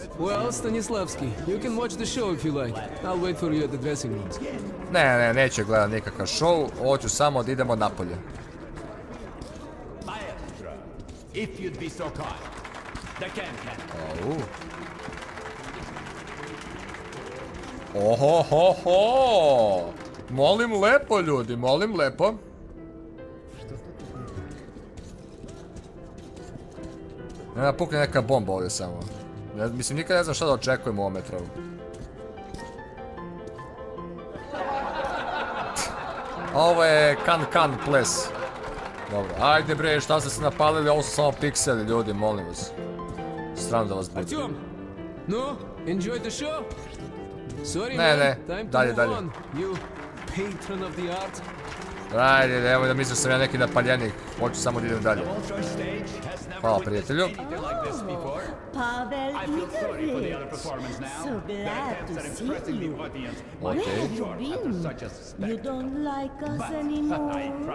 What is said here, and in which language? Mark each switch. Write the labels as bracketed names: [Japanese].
[English] Well, Stanislavski, you can watch the show if you like. I'll wait for you at the dressing room. [Serbian] Ne, ne, neću gledati nikakav show. Hoću samo da idemo napolje. Ohohoho! Molim lepo, ljudi, molim lepo. Nema pukne neka bomba ovdje samo. Mislim, nikad ne znam šta da očekujem u ovom metrovu. Ovo je kan-kan ples. Dobro, ajde bre, šta ste se napalili, ovo su samo pikseli, ljudi, molim vas. Sram da vas budu. [English] No, enjoy the show? Sorry, [Serbian] ne, ne, dalje, dalje. [English] You patron of the art. [Serbian] Ajde, nemoj da mislim sam ja neki napaljenik, hoću samo da idem dalje. Hvala prijatelju. [English] Pavel Igorvić, so glad to see you. Where have you been? You don't like us anymore.